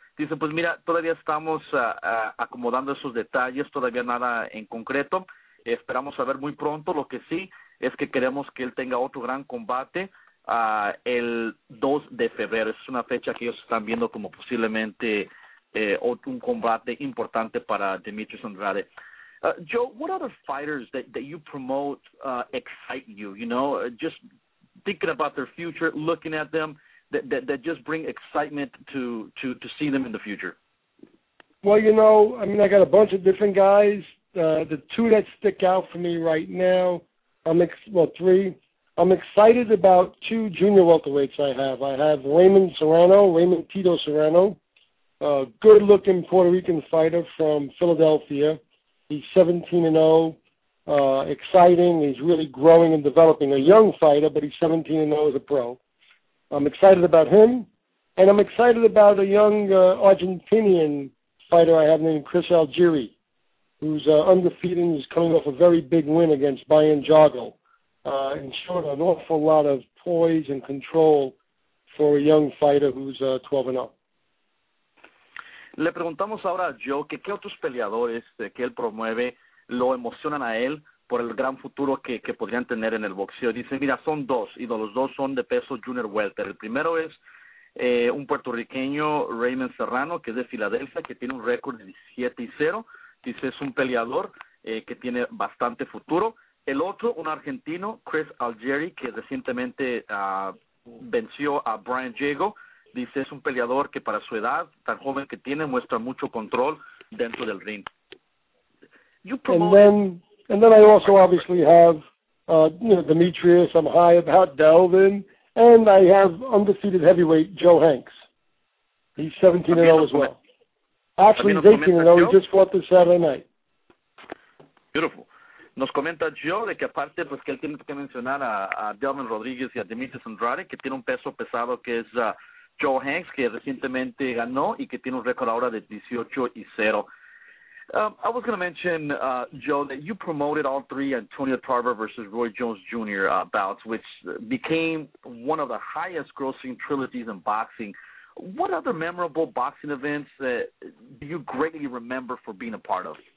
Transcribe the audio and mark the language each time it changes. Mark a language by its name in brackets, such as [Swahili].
[Spanish] Dice, pues mira, todavía estamos acomodando esos detalles, todavía nada en concreto. Esperamos saber muy pronto. Lo que sí es que queremos que él tenga otro gran combate el 2 de febrero. Es una fecha que ellos están viendo como posiblemente un combate importante para Demetrius Andrade. [English] Joe, what other fighters that you promote excite you? You know, just thinking about their future, looking at them, that just bring excitement to see them in the future. Well, you know, I mean, I got a bunch of different guys. The two that stick out for me right now, three. I'm excited about two junior welterweights I have. I have Raymond Tito Serrano, a good-looking Puerto Rican fighter from Philadelphia. He's 17-0, exciting. He's really growing and developing. A young fighter, but he's 17-0 as a pro. I'm excited about him. And I'm excited about a young Argentinian fighter I have named Chris Algieri, who's undefeated and is coming off a very big win against Bayern Jago. And showed an awful lot of poise and control for a young fighter who's 12-0. [Spanish] Le preguntamos ahora a Joe que qué otros peleadores que él promueve lo emocionan a él por el gran futuro que podrían tener en el boxeo. Dice, mira, son dos, y los dos son de peso junior welter. El primero es un puertorriqueño, Raymond Serrano, que es de Filadelfia, que tiene un récord de 17-0. Dice, es un peleador que tiene bastante futuro. El otro, un argentino, Chris Algieri, que recientemente venció a Brian Jago. Dice, es un peleador que para su edad, tan joven que tiene, muestra mucho control dentro del ring. [English] And then I also obviously have Demetrius, I'm high about Delvin, and I have undefeated heavyweight Joe Hanks. He's 17-0 as well. Actually, he's 18-0, he just fought this Saturday night. Beautiful. [Spanish] Nos comenta Joe de que aparte, pues que él tiene que mencionar a Delvin Rodríguez y a Demetrius Andrade, que tiene un peso pesado que es Joe Hanks, que recientemente ganó y que tiene un récord ahora de 18-0. [English] I was going to mention, Joe, that you promoted all three Antonio Tarver versus Roy Jones Jr. Bouts, which became one of the highest grossing trilogies in boxing. What other memorable boxing events do you greatly remember for being a part of?